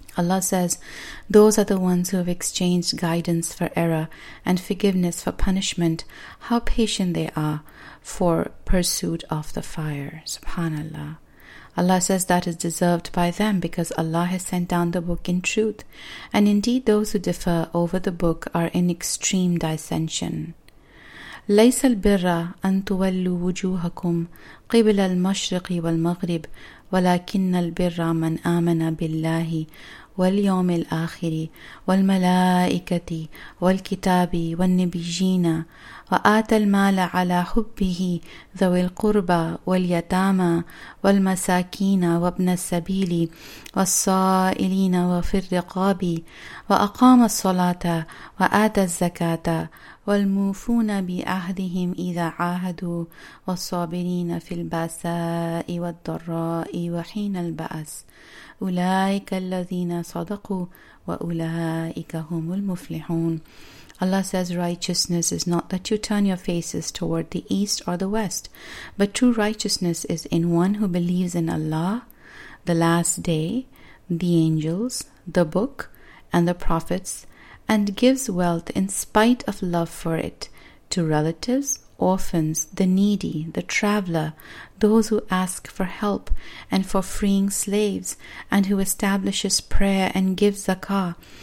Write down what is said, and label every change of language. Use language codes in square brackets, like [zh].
[en] Allah says, those are the ones who have exchanged guidance for error and forgiveness for punishment. How patient they are for pursuit of the fire. SubhanAllah. Allah says that is deserved by them because Allah has sent down the book in truth. And indeed those who differ over the book are in extreme dissension. [ar] لَيْسَ الْبِرَّ أَن تُوَلُّوا وُجُوهَكُمْ قِبِلَ الْمَشْرِقِ وَالْمَغْرِبِ وَلَكِنَّ الْبِرَّ مَنْ آمَنَ بِاللَّهِ واليوم الآخر والملائكة والكتاب والنبيين وآتى المال على حبه ذوي القربى واليتامى والمساكين وابن السبيل والصائلين وفي الرقاب وأقام الصلاة وآتى الزكاة والموفون بعهدهم إذا عاهدوا والصابرين في البأساء والضراء وحين البأس أُولَٰئِكَ الَّذِينَ صَدَقُوا وَأُولَٰئِكَ هُمُ الْمُفْلِحُونَ. [en] Allah says, righteousness is not that you turn your faces toward the east or the west, but true righteousness is in one who believes in Allah, the last day, the angels, the book, and the prophets, and gives wealth in spite of love for it to relatives, orphans, the needy, the traveler, those who ask for help and for freeing slaves, and who establishes prayer and gives zakah,